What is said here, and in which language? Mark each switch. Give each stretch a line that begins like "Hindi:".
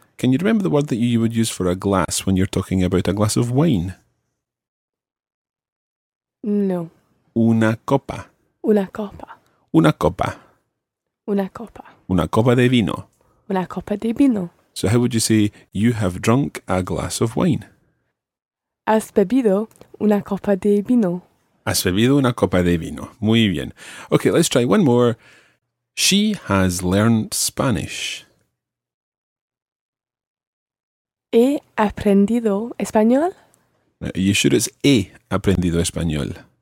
English: Can you remember the word that you would use for a glass when you're talking about a glass of wine? No.
Spanish: Una copa. Una copa. Una copa. Una copa. Una copa de vino. Una copa de vino.
English: So how would you say, you have drunk a glass of wine?
Spanish: Has bebido una copa de vino. Has bebido una copa de vino. Muy bien.
English: Okay, let's try one more. She has learned Spanish.
Spanish: He aprendido español.
English: Are you sure it's
Spanish: he aprendido español?